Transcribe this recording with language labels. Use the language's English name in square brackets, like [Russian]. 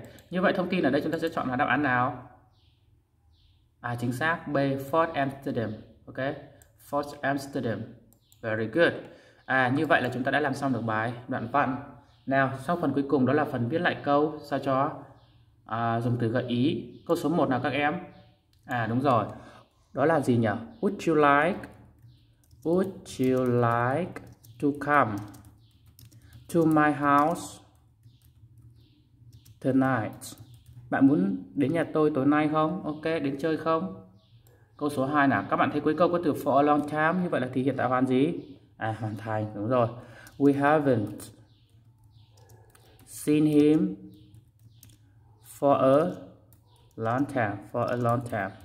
[Vietnamese] Như vậy thông tin ở đây chúng ta sẽ chọn là đáp án nào? À, chính xác, B, Fort Amsterdam. Ok, Fort Amsterdam. Very good. À, như vậy là chúng ta đã làm xong được bài đoạn văn. Nào, sau phần cuối cùng đó là phần viết lại câu sao cho dùng từ gợi ý. Câu số 1 nào các em? À đúng rồi. Đó là gì nhỉ? [English] Would you like to come to my house tonight? [Vietnamese] Bạn muốn đến nhà tôi tối nay không? Ok, đến chơi không? Câu số 2 nào. Các bạn thấy cuối câu có từ for a long time, như vậy là thì hiện tại hoàn gì? À hoàn thành, đúng rồi. [English] We haven't seen him for a long time.